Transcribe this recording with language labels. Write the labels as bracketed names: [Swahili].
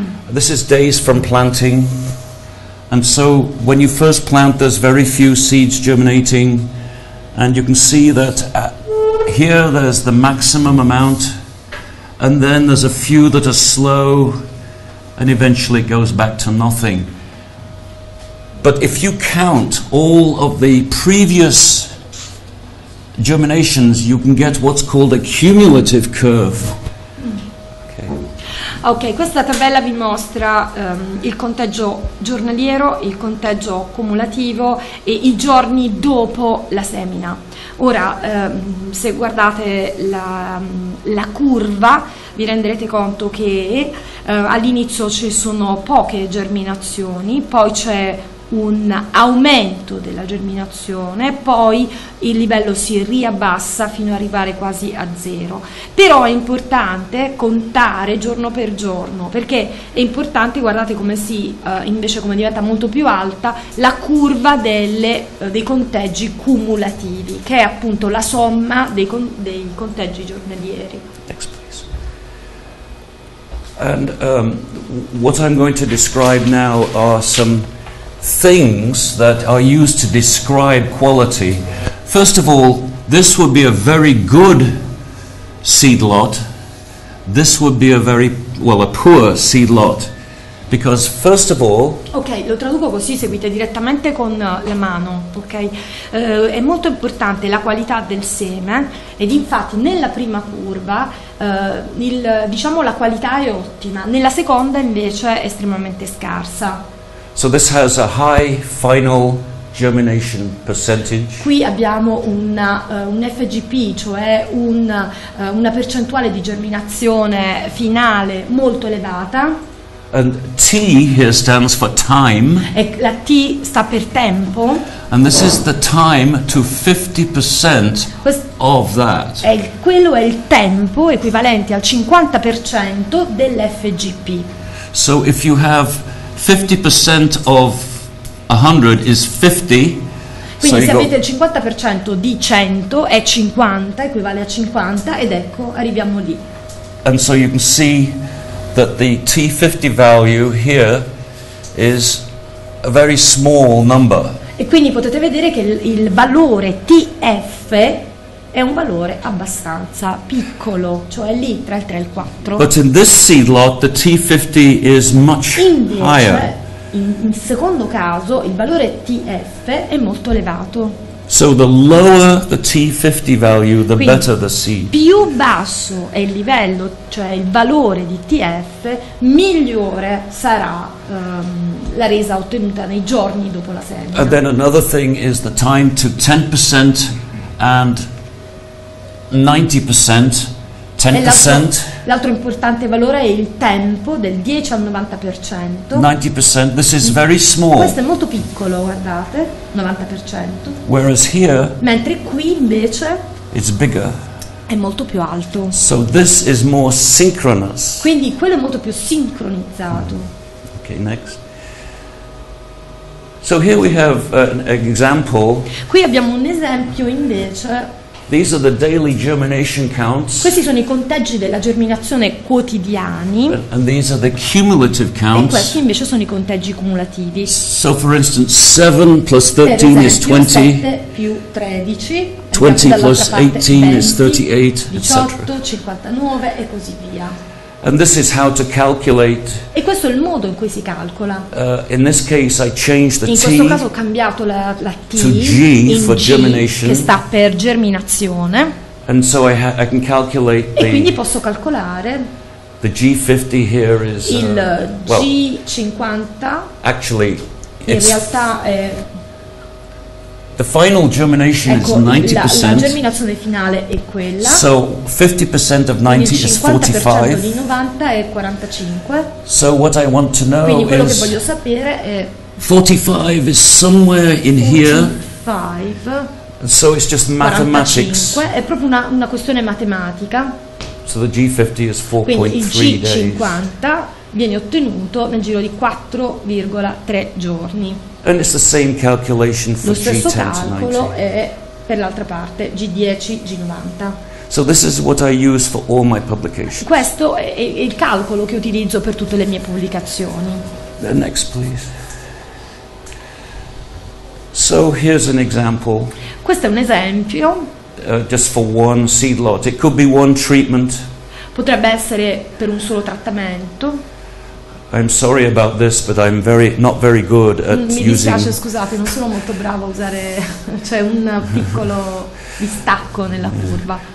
[English] This is days from planting. And so when you first plant there's very few seeds germinating and you can see that here there's the maximum amount and then there's a few that are slow and eventually it goes back to nothing. But if you count all of the previous germinations, you can get what's called a cumulative curve. [Italian] Ok, questa tabella vi mostra il conteggio giornaliero, il conteggio cumulativo e i giorni dopo la semina. Ora, se guardate la curva, vi renderete conto che all'inizio ci sono poche germinazioni, poi c'è un aumento della germinazione, poi il livello si riabbassa fino ad arrivare quasi a zero. Però è importante contare giorno per giorno, perché è importante, guardate come si invece come diventa molto più alta la curva dei conteggi cumulativi, che è appunto la somma dei conteggi giornalieri. [English] Next, please. And what I'm going to describe now are some things that are used to describe quality. First of all, this would be a very good seed lot. This would be a very, well, a poor seed lot. Because first of all, [Italian] ok, lo traduco così, seguite direttamente con la mano, ok? È molto importante la qualità del seme ed infatti nella prima curva diciamo la qualità è ottima, nella seconda invece è estremamente scarsa. [English] So this has a high final germination percentage. [Italian] Qui abbiamo un FGP, cioè una percentuale di germinazione finale molto elevata. [English] And T here stands for time. [Italian] E la T sta per tempo. [English] And this is the time to 50% of that. [Italian] Quello è il tempo equivalente al 50% dell'FGP. [English] So if you have 50% of 100 is 50. [Italian] Quindi so se avete il 50% di 100 è 50, equivale a 50 ed ecco, arriviamo lì. [English] And so you can see that the T50 value here is a very small number. [Italian] E quindi potete vedere che il valore TF è un valore abbastanza piccolo, cioè lì tra il 3 e il 4. [English] But in this seed lot the T50 is much higher. [Italian] In secondo caso il valore TF è molto elevato. [English] So the lower the T50 value, the better the seed. [Italian] Più basso è il livello, cioè il valore di TF, migliore sarà la resa ottenuta nei giorni dopo la semina. [English] And then another thing is the time to 10% and 90%, 10%. [Italian] L'altro importante valore è il tempo, del 10 al 90%. [English] 90%, this is very small. [Italian] Questo è molto piccolo, guardate, 90%. [English] Whereas here, [Italian] mentre qui invece [English] it's bigger. [Italian] È molto più alto. [English] So this is more synchronous. [Italian] Quindi quello è molto più sincronizzato. [English] Okay, next. So here we have an example. [Italian] Qui abbiamo un esempio invece. [English] These are the daily germination counts. [Italian] Questi sono i conteggi della germinazione quotidiani. [English] And these are the cumulative counts. [Italian] E questi invece sono i conteggi cumulativi. [English] So for instance, 7 plus 13 [Italian] per esempio, [English] is 20. [Italian] 7 più 13. [English] 20 plus 18 is 38, etc. [Italian] 18, 59 e così via. [English] And this is how to calculate. [Italian] E questo è il modo in cui si calcola. [English] In this case I changed the in T. [Italian] In questo caso ho cambiato la T [English] to G for G, germination. [Italian] Che sta per germinazione. [English] And so I can calculate [Italian] e quindi posso calcolare. [English] The G50 here is [Italian] il G50. [English] Actually, [Italian] in realtà è [English] the final germination, [Italian] ecco, [English] is 90%. [Italian] La germinazione finale è quella. [English] So 50% of 90 is 45. [Italian] Di 90 è 45. [English] So what I want to know is [Italian] che voglio sapere è [English] 45 is somewhere in 45. Here. And so it's just mathematics. [Italian] 45 è proprio una questione matematica. [English] So the G50 is 4.3 days. [Italian] Quindi il G50 viene ottenuto nel giro di 4,3 giorni. [English] And it's the same calculation for G10 to 90. [Italian] Lo stesso calcolo è per l'altra parte, G10, G90. [English] So this is what I use for all my publications. [Italian] Questo è il calcolo che utilizzo per tutte le mie pubblicazioni. [English] The next, please. So here's an example. [Italian] Questo è un esempio. [English] Just for one seed lot. It could be one treatment. [Italian] Potrebbe essere per un solo trattamento. [English] I'm sorry about this, but I'm not very good at using. [Italian] Mi dispiace, scusate, non sono molto bravo a usare. C'è un piccolo distacco nella curva.